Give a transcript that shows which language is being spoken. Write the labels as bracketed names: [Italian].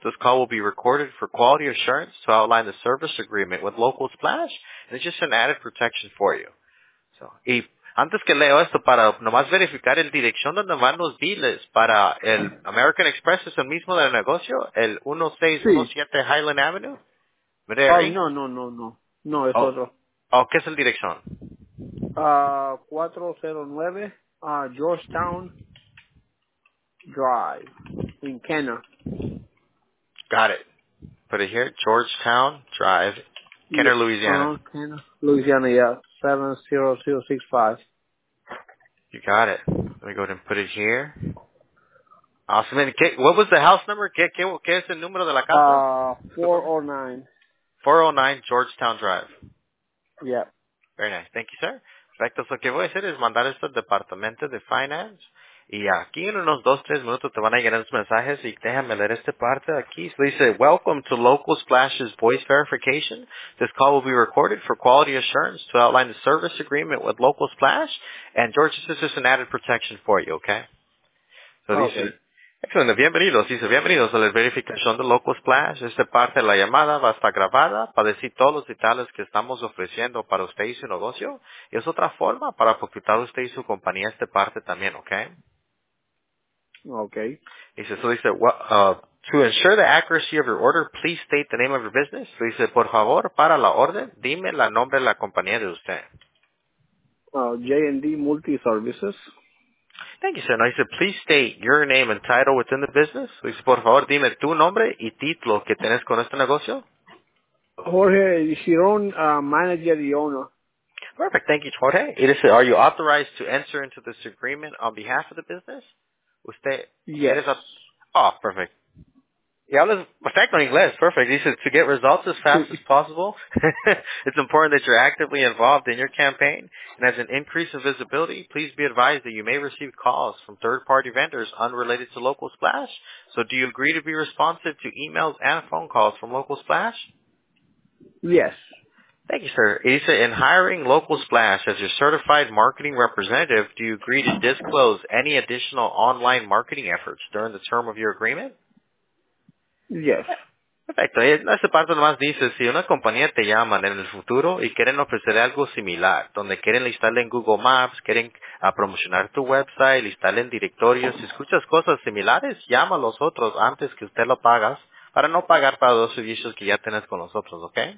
[English] This call will be recorded for quality assurance to outline the service agreement with Local/. And it's just an added protection for you. [Spanish] So, y antes que leo esto, para nomás verificar el dirección donde van los deals para el American Express, es el mismo del negocio, el 1617 sí. [English] Highland Avenue. [Spanish] Mire, ay, no. No, es otro. Oh, ¿qué es el dirección? [English] 409 Georgetown Drive, in Kenner. Got it. Put it here, Georgetown Drive, Kenner, yeah. Louisiana. Kenner, Louisiana, yeah, 70065. You got it. Let me go ahead and put it here. Awesome. And what was the house number? [Spanish] ¿Qué es el número de la casa? [English] 409. 409 Georgetown Drive. Yep. Very nice. Thank you, sir. [Spanish] Perfecto. So, ¿qué voy a hacer? Es mandar esto al departamento de finance. Y aquí en unos 2-3 minutos te van a llegar los mensajes. Y déjame leer esta parte aquí. So, dice, [English] welcome to Local/'s voice verification. This call will be recorded for quality assurance to outline the service agreement with Local/. And George, this is an added protection for you, okay? [Spanish] So okay. Dice, excelente, bienvenidos. Dice, bienvenidos a la verificación de Local/. Esta parte de la llamada va a estar grabada para decir todos los detalles que estamos ofreciendo para usted y su negocio. Y es otra forma para facultar usted y su compañía esta parte también, okay? [English] Okay. Dice, so dice, to ensure the accuracy of your order, please state the name of your business. [Spanish] So dice, por favor, para la orden, dime el nombre de la compañía de usted. [English] J&D Multiservices. Thank you, sir. No, he said, please state your name and title within the business. He said, [Spanish] por favor, dime tu nombre y título que tienes con este negocio. Jorge Girón, manager y owner. [English] Perfect. Thank you, Jorge. He said, are you authorized to enter into this agreement on behalf of the business? [Spanish] Usted. [English] Yes. [Spanish] Perfect. Y hablas perfecto en inglés. [English] Perfect. He said, to get results as fast as possible, it's important that you're actively involved in your campaign. And as an increase in visibility, please be advised that you may receive calls from third-party vendors unrelated to Local/. So do you agree to be responsive to emails and phone calls from Local/? Yes. Thank you, sir. He said, in hiring Local/ as your certified marketing representative, do you agree to disclose any additional online marketing efforts during the term of your agreement? Yes. [Spanish] Perfecto. Esta parte nomás dice, si una compañía te llama en el futuro y quieren ofrecer algo similar, donde quieren listarle en Google Maps, quieren promocionar tu website, listarle en directorios, si escuchas cosas similares, llama a los otros antes que usted lo pagas para no pagar para los servicios que ya tienes con los otros, ¿ok?